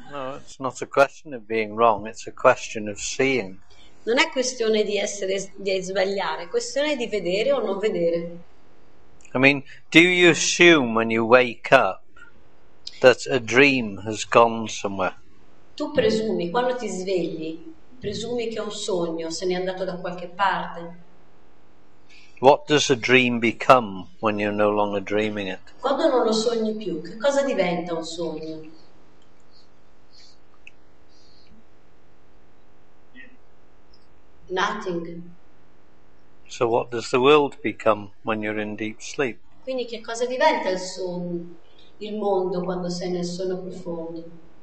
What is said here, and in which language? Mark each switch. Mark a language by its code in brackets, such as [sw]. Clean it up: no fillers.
[en] No, it's not a question of being wrong, it's a question of seeing. [it] Non è questione di essere di sbagliare, è questione di vedere o non vedere. [en] I mean, do you assume when you wake up that a dream has gone somewhere? [it] Tu presumi quando ti svegli, presumi che un sogno se n'è andato da qualche parte? [en] What does a dream become when you're no longer dreaming it? [it] Quando non lo sogni più, che cosa diventa un sogno? [en] Nothing. So what does the world become when you're in deep sleep? [it] Quindi che cosa diventa il sogno, il mondo quando sei nel sonno profondo?